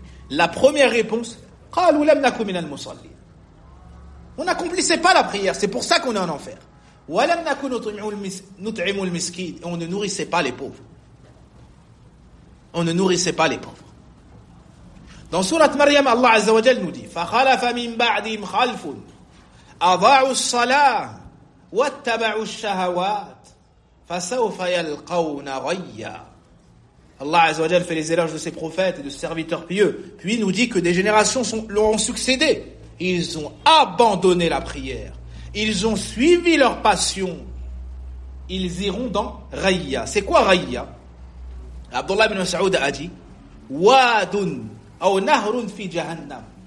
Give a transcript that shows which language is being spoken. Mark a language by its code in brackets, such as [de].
[fr] La première réponse, [ar] qalu lam nakum min al-musallin. [fr] On n'accomplissait pas la prière, c'est pour ça qu'on est en enfer. On ne nourrissait pas les pauvres. On ne nourrissait pas les pauvres. Dans Sourate Maryam, Allah Azza wa Jal nous dit: [ar] فَخَلَفَ مِنْ بَعْدِهِمْ خَلْفٌ أَضَعُوا الصَّلَاةَ وَاتَّبَعُوا الشَّهَوَاتِ فَسَوْفَ يَلْقَوْنَ غَيًّا. [fr] Allah Azza wa Jal fait les éloges de ses prophètes et de ses serviteurs pieux. Puis il nous dit que des générations leur ont succédé. Ils ont abandonné la prière. Ils ont suivi leur passion. Ils iront dans Raïa. C'est quoi Raïa? Abdullah ibn Saoud a dit: [ar] Wadun ou Nahrun fi Jahannam.